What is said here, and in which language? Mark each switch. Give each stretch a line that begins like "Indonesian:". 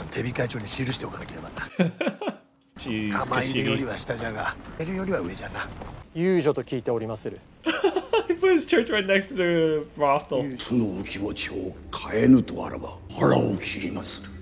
Japanese: 手控え帳に記しておかなければな。構えるよりは下じゃが、やるよりは上じゃな。遊女と聞いておりまする。
English: He put his church right next to the brothel.
Japanese: その気持ちを変えぬとあらば腹を切ります。